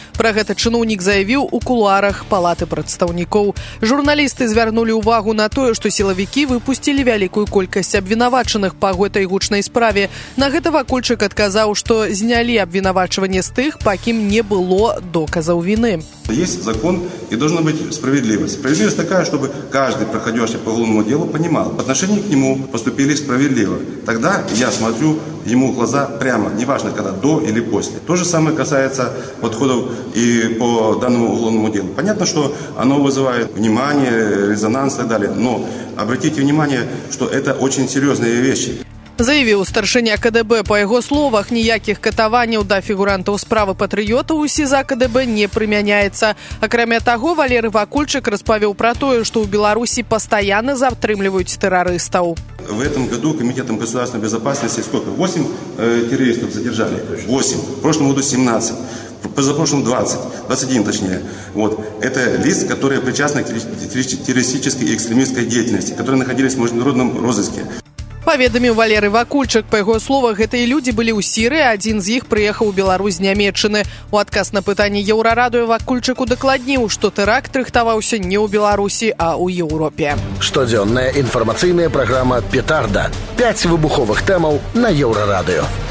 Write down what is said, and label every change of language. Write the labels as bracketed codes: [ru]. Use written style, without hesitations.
[be] Пра гэта чыноўнік заявіў у кулуарах Палаты прадстаўнікоў. Журналісты звярнулі ўвагу на тое, што сілавікі выпусцілі вялікую колькасць абвінавачаных па гэтай гучнай справе. На гэта Вакольчык адказаў, што знялі абвінавачванне з тых, па кім не было доказаў віны. [ru] Есть закон и должна быть справедливость. Справедливость такая, чтобы каждый, проходящий по уголовному делу, понимал, по отношению к нему поступили справедливо. Тогда я смотрю ему в глаза прямо, неважно, когда, до или после. То же самое касается подходов и по данному уголовному делу. Понятно, что оно вызывает внимание, резонанс и так далее, но обратите внимание, что это очень серьезные вещи. [be] Заявіў старшыня КДБ. Па яго словах, ніякіх катаванняў да фігурантаў справы патрыёта ў СІЗА КДБ не прымяняецца. Акрамя таго, Валеры Вакульчык распавёў пра тое, што ў Беларусі пастаянна затрымліваюць тэрарыстаў. [ru] В этом году комитетом государственной безопасности сколько? 8 террористов задержали. 8. В прошлом году 17. Позапрошлым 21, точнее. Вот. Это лиц, которые причастны к террористической и экстремистской деятельности, которые находились в международном розыске. [be] Паведаміў Валеры Вакульчык. Па яго словах, гэтыя людзі былі ў Сірыі, адзін з іх прыехаў у Беларусь з Нямеччыны. У адказ на пытанне Еўрарадыё Вакульчык удакладніў, што тэракт рыхтаваўся не ў Беларусі, а ў Еўропе. Штодзённая інфармацыйная праграма «Петарда». 5 выбуховых тэмаў на Еўрарадыё.